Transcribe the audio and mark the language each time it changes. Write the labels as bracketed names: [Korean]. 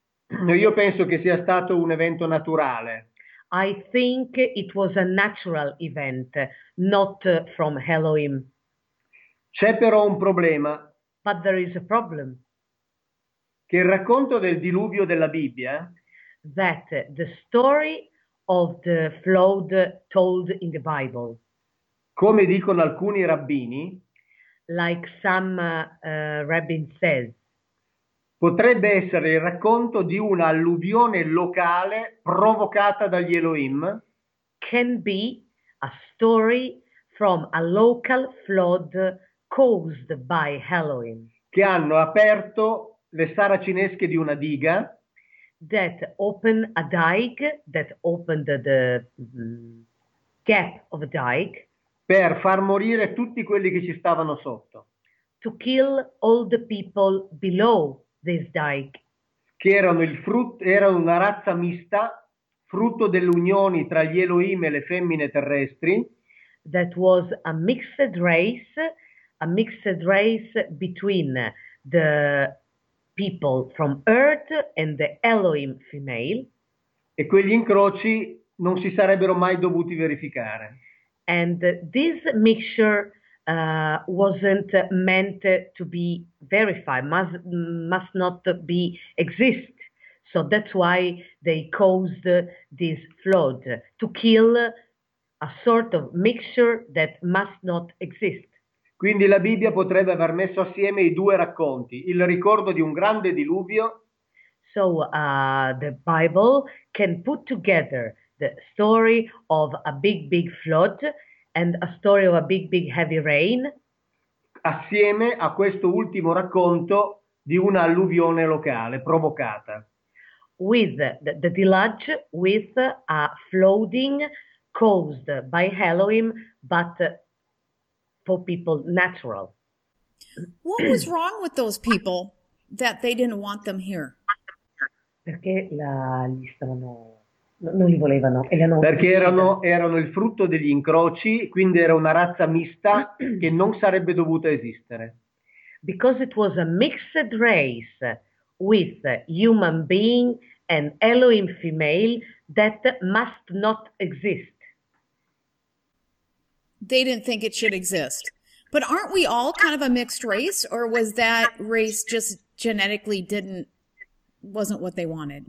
[Italian] Io penso che sia stato un evento naturale. [English] I think it was a natural event, not from Elohim. [Italian] C'è però un problema. Che [English] But there is a problem. [Italian] il racconto del diluvio della Bibbia [English] That the story of the flood told in the Bible, [Italian] come dicono alcuni rabbini, [English] like some rabbin says, [Italian] potrebbe essere il racconto di un'alluvione locale provocata dagli Elohim. [English] can be a story from a local flood caused by Elohim. [Italian] Che hanno aperto le saracinesche di una diga. [English] That opened a dike, that opened the gap of a dike [Italian] Per far morire tutti quelli che ci stavano sotto, [English] to kill all the people below this dike. [Italian] che erano una razza mista, frutto delle unioni tra gli Elohim e le femmine terrestri. [English] That was a mixed race between the people from Earth and the Elohim female, [Italian] E quegli incroci non si sarebbero mai dovuti verificare. [English] and this mixture wasn't meant to be verified, must not be exist. So that's why they caused this flood, to kill a sort of mixture that must not exist. [Italian] Quindi la Bibbia potrebbe aver messo assieme i due racconti, il ricordo di un grande diluvio. [English] So, the Bible can put together the story of a big flood and a story of a big heavy rain [Italian] Assieme a questo ultimo racconto di un'alluvione locale provocata. [English] with the deluge with a flooding caused by Elohim but for people natural. What was wrong with those people that they didn't want them here? [Italian] Perché li stavano, non li volevano e li hanno Perché ucciso. erano il frutto degli incroci, quindi era una razza mista che [English] Because [Italian] non sarebbe dovuta esistere. [English] it was a mixed race with human being and Elohim female that must not exist. They didn't think it should exist. But aren't we all kind of a mixed race, or was that race just genetically didn't? Wasn't what they wanted.